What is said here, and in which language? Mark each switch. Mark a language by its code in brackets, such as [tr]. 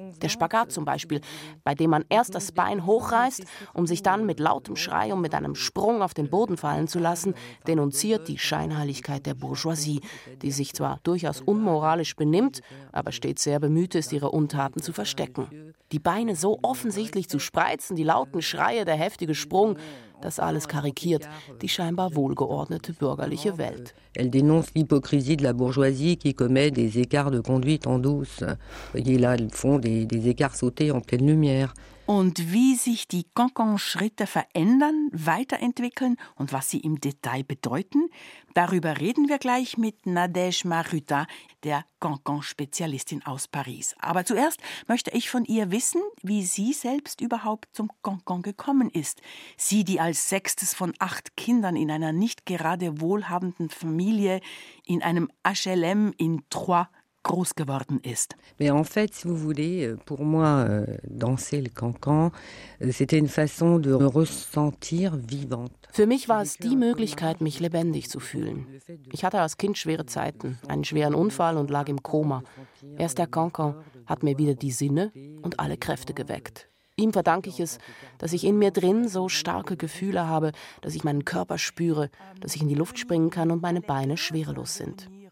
[de] Der Spagat zum Beispiel, bei dem man erst das Bein hochreißt, um sich dann mit lautem Schrei und mit einem Sprung auf den Boden fallen zu lassen, denunziert die Scheinheiligkeit der Bourgeoisie, die sich zwar durchaus unmoralisch benimmt, aber stets sehr bemüht ist, ihre Untaten zu verstecken. Die Beine so offensichtlich zu spreizen, die lauten Schreie, der heftige Sprung, das alles karikiert die scheinbar wohlgeordnete bürgerliche Welt. [fr] Elle dénonce l'hypocrisie de la bourgeoisie qui commet des écarts de conduite en douce. Et là, ils font des écarts sautés en pleine lumière. [de] Und wie sich die Cancan-Schritte verändern, weiterentwickeln und was sie im Detail bedeuten, darüber reden wir gleich mit Nadège Maruta, der Cancan-Spezialistin aus Paris. Aber zuerst möchte ich von ihr wissen, wie sie selbst überhaupt zum Cancan gekommen ist. Sie, die als sechstes von acht Kindern in einer nicht gerade wohlhabenden Familie in einem HLM in Troyes groß geworden ist. [fr] Mais en fait, si vous voulez, pour moi, danser le cancan, c'était une façon de me ressentir vivante. [de] Für mich war es die Möglichkeit, mich lebendig zu fühlen. Ich hatte als Kind schwere Zeiten, einen schweren Unfall und lag im Koma. Erst der Cancan hat mir wieder die Sinne und alle Kräfte geweckt. Ihm verdanke ich es, dass ich in mir drin so starke Gefühle habe, dass ich meinen Körper spüre, dass ich in die Luft springen kann und meine Beine schwerelos sind.